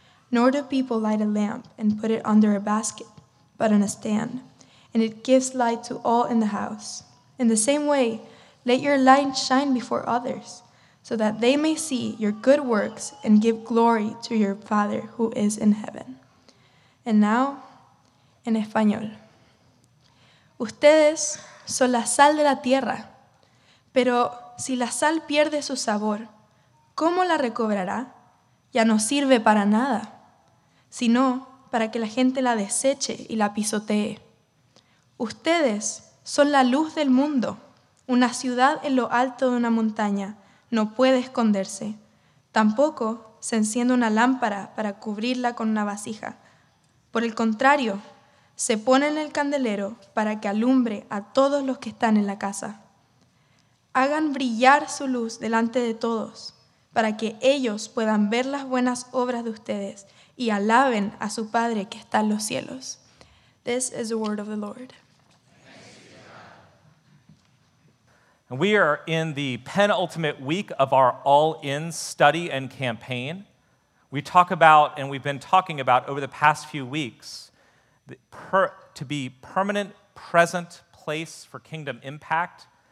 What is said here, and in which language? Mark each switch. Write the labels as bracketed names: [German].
[English] Nor do people light a lamp and put it under a basket, but on a stand, and it gives light to all in the house. In the same way, let your light shine before others, so that they may see your good works and give glory to your Father who is in heaven." And now, [Spanish] en español. Ustedes son la sal de la tierra, pero si la sal pierde su sabor, ¿cómo la recobrará? Ya no sirve para nada, sino para que la gente la deseche y la pisotee. Ustedes son la luz del mundo. Una ciudad en lo alto de una montaña no puede esconderse. Tampoco se enciende una lámpara para cubrirla con una vasija. Por el contrario, se pone en el candelero para que alumbre a todos los que están en la casa. Hagan brillar su luz delante de todos, para que ellos puedan ver las buenas obras de ustedes y alaben a su Padre que está en los cielos. [English] This is the word of the Lord. And we are in the penultimate week of our all-in study and campaign. We talk about, and we've been talking about over the past few weeks, to be permanent, present place for kingdom impact.